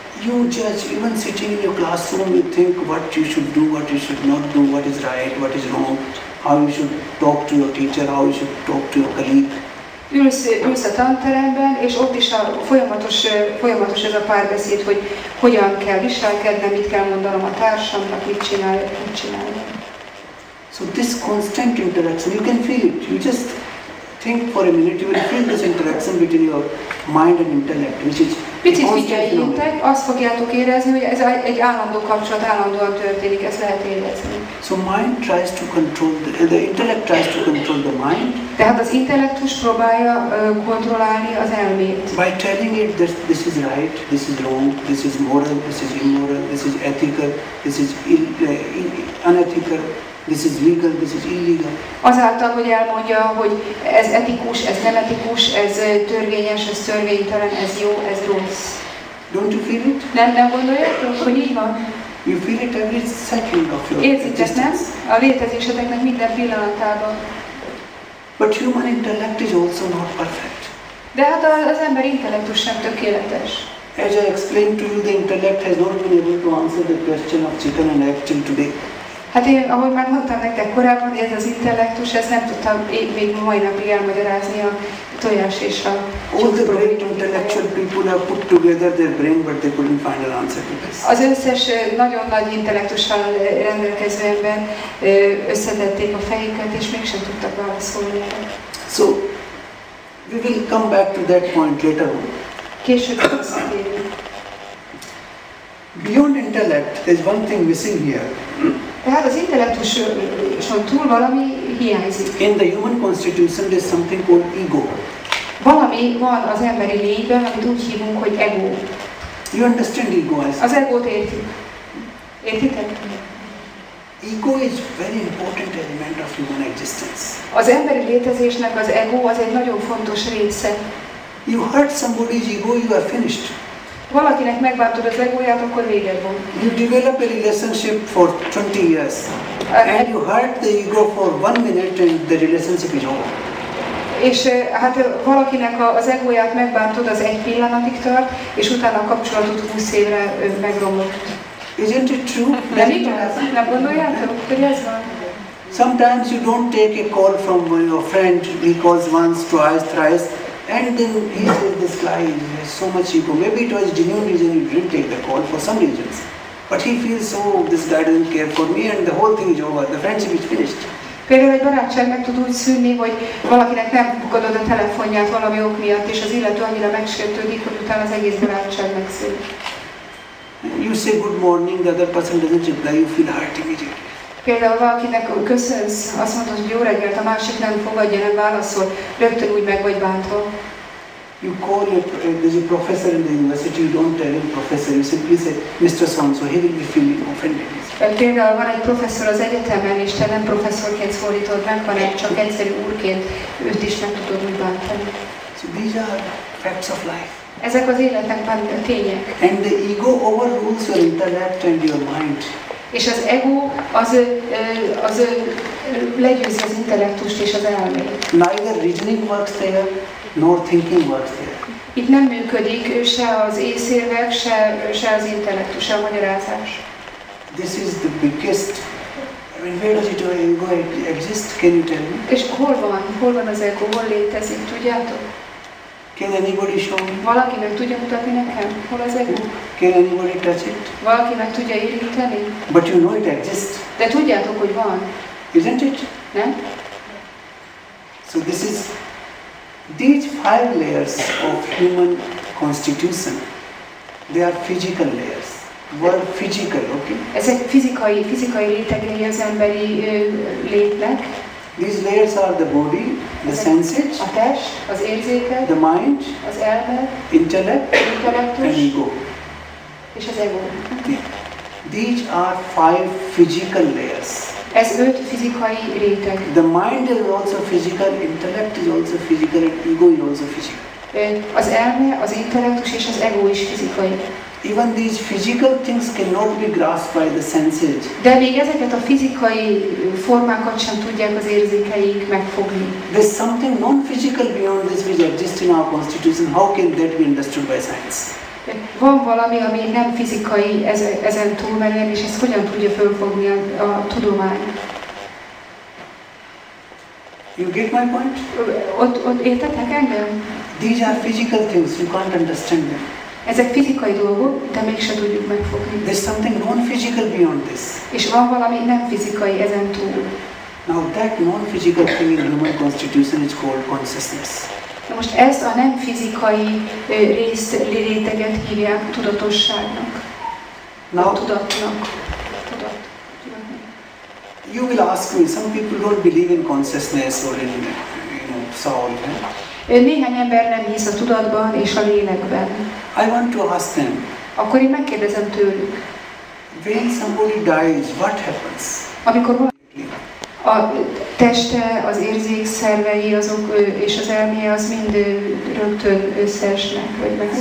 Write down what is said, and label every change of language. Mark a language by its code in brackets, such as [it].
[en] You judge, even sitting in your classroom, you think what you should do, what you should not do, what is right, what is wrong, how you should talk to your teacher, how you should talk to your colleague. [hu] Ülsz a tanteremben, és ott is folyamatos ez a párbeszéd, hogy hogyan kell viselkednem, mit kell mondanom a társamnak, mit csináljam. [en] So this constant interaction, you can feel it. You just think for a minute, you will feel this interaction between your mind and intellect, which is [hu] picit figyeljétek, azt fogjátok érezni, hogy ez egy állandó kapcsolat, állandóan történik, ezt lehet érezni. [en] So mind tries to control, the intellect tries to control the mind. [hu] Tehát az intellektus próbálja kontrollálni az elmét. [en] By telling it that this is right, this is wrong, this is moral, this is immoral, this is ethical, this is unethical, this is legal, this is illegal. [hu] Azáltal, hogy elmondja, hogy ez etikus, ez nem etikus, ez törvényes, ez törvénytelen, ez jó, ez rossz. [en] Don't you feel it? [hu] Nem gondoljátok, hogy így van? [en] You feel it every second of your existence. [hu] Érzitek, nem? A létezéseteknek minden pillanatában. [en] But human intellect is also not perfect. [hu] De hát az ember intellektus sem tökéletes. [en] As I explained to you, the intellect has not been able to answer the question of chicken and egg till today. [hu] Hát én, ahogy már mondtam nektek korábban, ez az intellektus, ez nem tudtam még mai napig elmagyarázni a tojás és a [en] all the great intellectual people have put together their brain, but they couldn't find an answer to this. [hu] Az összes nagyon nagy intellektussal rendelkező ember összetették a fejüket, és mégsem tudtak válaszolni. [en] So, we will come back to that point later on. [hu] Később visszatérünk. [en] Beyond intellect, there's one thing missing here. [hu] Tehát az intellektuson túl valami hiányzik. [en] In the human constitution there's something called ego. [hu] Valami van az emberi lényben, amit úgy hívunk, hogy ego. [en] You understand ego as? [hu] Az egót értitek? [en] Ego is very important element of human existence. [hu] Az emberi létezésnek az ego az egy nagyon fontos része. [en] You hurt somebody's ego, you are finished. [hu] Valakinek megbántod az egóját, akkor véged van. [en] You develop a relationship for 20 years, and you hurt the ego for 1 minute, and the relationship is over. [hu] És hát valakinek az egóját megbántod, az egy pillanatig tart, és utána a kapcsolatot 20 évre megromlott. [en] Isn't it true? [hu] Nem igaz? Nem gondoljátok, hogy ez van? [en] Sometimes you don't take a call from your friend, he calls once, twice, thrice, and then he said this guy has so much ego. Maybe it was genuine reason he didn't take the call for some reasons. But he feels so, this guy doesn't care for me and the whole thing is over. The friendship is finished. [hu] Például egy barátság meg tud úgy szűnni, hogy valakinek nem bukodod a telefonját valami ok miatt, és az illető annyira megsértődik, hogy utána az egész barátság megszűnik. [en] You say good morning, the other person doesn't reply, you feel hurt immediately. [hu] Például valakinek köszönsz, azt mondod, hogy jó reggelt, a másik nem fogadja, nem válaszol, rögtön úgy meg vagy bántva. [en] You call your, there's a professor in the university, you don't tell him professor, you simply say Mr. So-and-so, he will be feeling offended. [hu] Például van egy professzor az egyetemen, és te nem professzorként szólítod meg, hanem csak egyszerű úrként, őt is meg tudod mi bántani. [en] So these are facts of life. [hu] Ezek az életekben tények. [en] And the ego overrules your intellect and your mind. [hu] És az ego az legyőzi az intellektust és az elmét. [en] Neither reasoning works there, nor thinking works there. [hu] Itt nem működik se az észérvek, se az intellektus, se a magyarázás. [en] This is the biggest. I mean, where does it ego exist? Can you tell me? [hu] És hol van az ego? Hol létezik? Tudjátok? [en] Can anybody show me? [hu] Valaki meg tudja mutatni nekem, hol az ego? [en] Can anybody touch it? [hu] Valaki meg tudja érinteni? [en] But you know it exists. [hu] De tudjátok, hogy van. [en] Isn't it? [hu] Nem? [en] So this is these five layers of human constitution. They are physical layers. Were physical, okay? [hu] Ezek fizikai rétegei az emberi létnek. [en] These layers are the body, the senses, [hu] a test, az érzékek, [en] the mind, [hu] az elme, [en] intellectus, and ego. [hu] És az ego. [en] These are five physical layers. [hu] Ez öt fizikai réteg. [en] The mind is also physical, intellect is also physical, and ego is also physical. [hu] Az elme, az intellektus és az ego is fizikai. [en] Even these physical things cannot be grasped by the senses. [hu] De még ezeket a fizikai formákat sem tudják az érzékeik megfogni. [en] There's something non-physical beyond this which exists in our constitution. How can that be understood by science? [hu] Van valami, ami nem fizikai ezen túlmenően, és ezt hogyan tudja fölfogni a tudomány? [en] You get my point? [hu] Ott értetek engem? [en] These are physical things, you can't understand them. [hu] Ezek fizikai dolgok, de mégsem tudjuk megfogni. [en] There's something non-physical beyond this. [hu] És van valami nem fizikai ezen túl. [en] Now that non-physical thing in human constitution is called consciousness. [hu] Na most ezt a nem fizikai részt, réteget hívják tudatosságnak. [en] Now, [hu] tudatnak. [en] You will ask me, some people don't believe in consciousness or in, you know, soul. [hu] Néhány ember nem hisz a tudatban és a lélekben. [en] I want to ask them. [hu] Akkor én megkérdezem tőlük. [en] When somebody dies, what happens? [hu] Amikor valaki a teste, az érzékszervei, azok és az elméje az mind rögtön összeesnek, vagy megszűnnek.